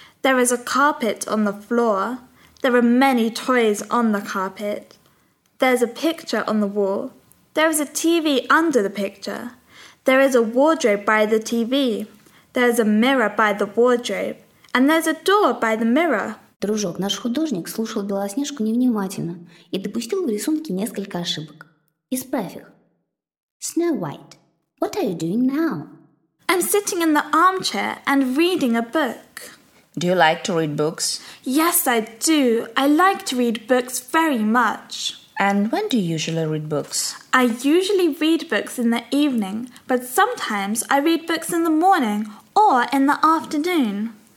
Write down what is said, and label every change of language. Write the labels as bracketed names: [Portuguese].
[English] There is a carpet on the floor. There are many toys on the carpet. There's a picture on the wall. There is a TV under the picture. There is a wardrobe by the TV. There's a mirror by the wardrobe. And there's a door by the mirror. [Russian] Дружок, наш художник слушал Белоснежку невнимательно и допустил в рисунке несколько ошибок. Исправь их. [English] Snow White, what are you doing now? I'm sitting in the armchair and reading a book. Do you like to read books? Yes, I do. I like to read books very much. And when do you usually read books? I usually read books in the evening, but sometimes I read books in the morning or in the afternoon.